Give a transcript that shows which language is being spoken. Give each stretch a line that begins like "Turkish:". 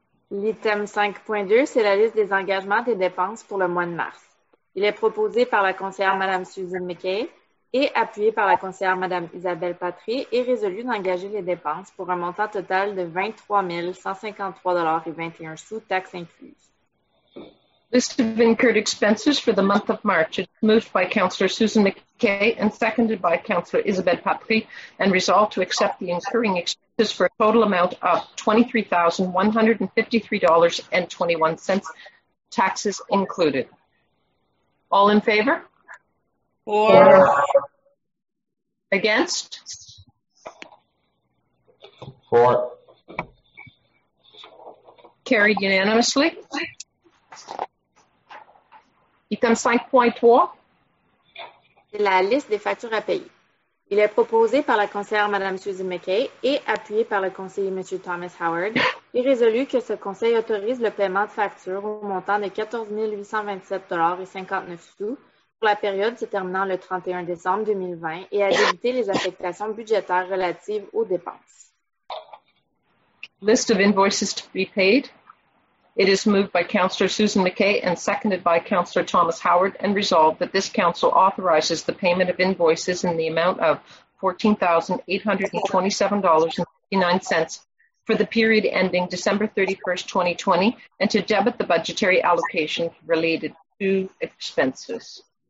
French: L'item 5.2, c'est la liste des engagements des dépenses pour le mois de mars. Il est proposé par la conseillère Mme Susan McKay et appuyé par la conseillère Mme Isabelle Patry et résolu d'engager les dépenses pour un montant total de $23,153.21, taxes incluses.
English: List of incurred expenses for the month of March. It's moved by Councillor Susan McKay and seconded by Councillor Isabelle Patry and resolved to accept the incurring expenses for a total amount of $23,153.21, taxes included. All in favor? Four. Against? Four. Carried unanimously. Item 5.3.
French: C'est la liste des factures à payer. Il est proposé par la conseillère Mme Susan McKay et appuyé par le conseiller M. Thomas Howard et résolu que ce conseil autorise le paiement de factures au montant de $14,827.59 pour la période se terminant le 31 décembre 2020 et à débiter les affectations budgétaires relatives aux dépenses.
English: List of invoices to be paid. It is moved by Councillor Susan McKay and seconded by Councillor Thomas Howard and resolved that this council authorizes the payment of invoices in the amount of $14,827.59 for the period ending December 31st, 2020 and to debit the budgetary allocation related to expenses.